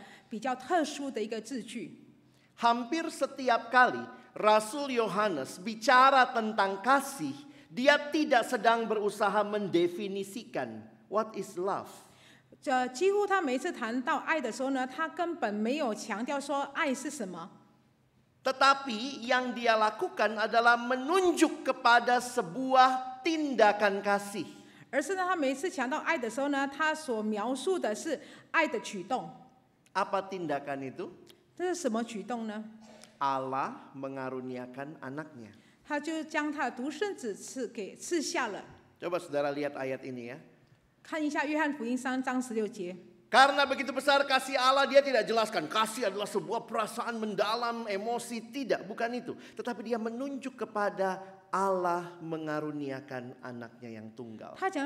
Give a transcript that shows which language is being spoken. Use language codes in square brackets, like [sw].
[zh] 我们要看一下使徒约翰在他书信当中所写的一个比较特殊的一个字句。 [id] Hampir setiap kali Rasul Yohanes bicara tentang kasih, dia tidak sedang berusaha mendefinisikan [en] what is love. [zh] 几乎他每次谈到爱的时候呢，他根本没有强调说爱是什么。 [id] Tetapi yang dia lakukan adalah menunjuk kepada sebuah tindakan kasih. [zh] 而是呢，他每次强调爱的时候呢，他所描述的是爱的举动。 [id] Apa tindakan itu? [zh] 这是什么举动呢？ [id] Allah mengaruniakan anaknya. [zh] 他就将他独生子赐给赐下了。 [id] Coba saudara lihat ayat ini ya. [zh] 看一下约翰福音3章16节。 [id] Karena begitu besar kasih Allah, dia tidak jelaskan kasih adalah sebuah perasaan mendalam, emosi, tidak, bukan itu. Tetapi dia menunjuk kepada Allah mengaruniakan anaknya yang tunggal.